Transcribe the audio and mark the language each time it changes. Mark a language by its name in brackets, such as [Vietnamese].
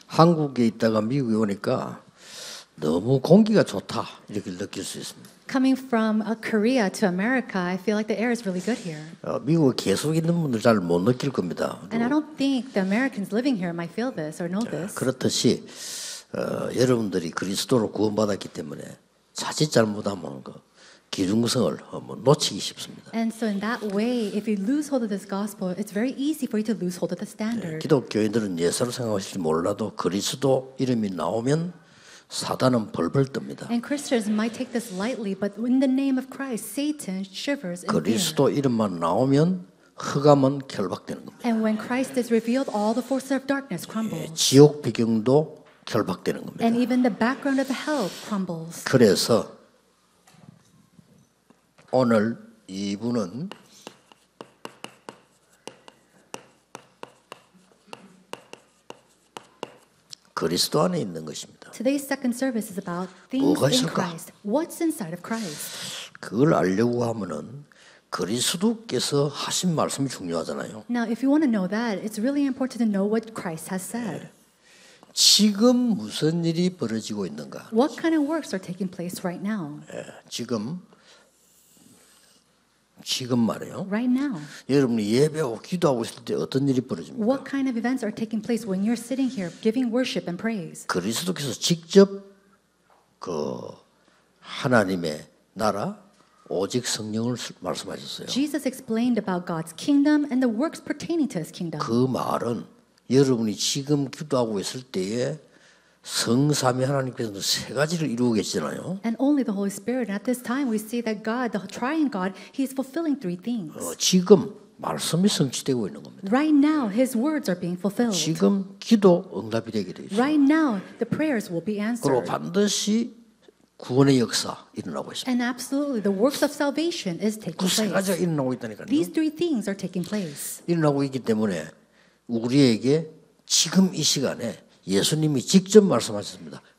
[Korean] 한국에 있다가 미국에 오니까 너무 공기가 좋다 이렇게 느낄 수 있습니다. [English] Coming from Korea to America, I feel like the air is really good here. [Korean] 미국에 계속 있는 분들 잘 못 느낄 겁니다. [English] And I don't think the Americans living here might feel this or know this. [Korean] 그렇듯이 여러분들이 그리스도로 구원받았기 때문에 자칫 잘못하면 그 기준성을 놓치기 쉽습니다. [English] And so in that way, if you lose hold of this gospel, it's very easy for you to lose hold of the standard. [Korean] 네, 기독교인들은 예수를 생각하실지 몰라도 그리스도 이름이 나오면 사단은 벌벌 뜹니다. [English] And Christians might take this lightly, but in the name of Christ, Satan shivers. [Korean] 그리스도 이름만 나오면 흑암은 결박되는 겁니다. [English] And when Christ is revealed, all the forces of darkness crumble. 네, [Korean] 지옥 배경도 결박되는 겁니다. [English] And even the background of hell crumbles. [Korean] 그래서 오늘 이분은 그리스도 안에 있는 것입니다. [English] Today's second service is about things in Christ. What's inside of Christ? [Korean] 그걸 알려고 하면은 그리스도께서 하신 말씀이 중요하잖아요. [English] Now, if you want to know that, it's really important to know what Christ has said. [Korean] 지금 무슨 일이 벌어지고 있는가? [English] What kind of works are taking place right now? [Korean] 예, 지금 말이에요. [English] Right now. [Korean] 여러분이 예배하고 기도하고 있을 때 어떤 일이 벌어집니까? [English] What kind of events are taking place when you're sitting here giving worship and praise? [Korean] 그리스도께서 직접 그 하나님의 나라 오직 성령을 말씀하셨어요. [English] Jesus explained about God's kingdom and the works pertaining to his kingdom. [Korean] 그 말은 여러분이 지금 기도하고 있을 때에 성삼위 하나님께서 세 가지를 이루고 계시잖아요. [English] And only the Holy Spirit. At this time, we see that God, the Triune God, He is fulfilling three things. [Korean] 지금 말씀이 성취되고 있는 겁니다. [English] Right now, His words are being fulfilled. [Korean] 지금 기도 응답이 되게 돼 있어요. [English] Right now, the prayers will be answered. [Korean] 그리고 반드시 구원의 역사 일어나고 있습니다. [English] And absolutely, the works of salvation is taking place. [Korean] 그 세 가지가 일어나고 있다니까요. [English] These three things are taking place. [Korean] 일어나고 있기 때문에 우리에게 지금 이 시간에 예수님이 직접 말씀하셨습니다.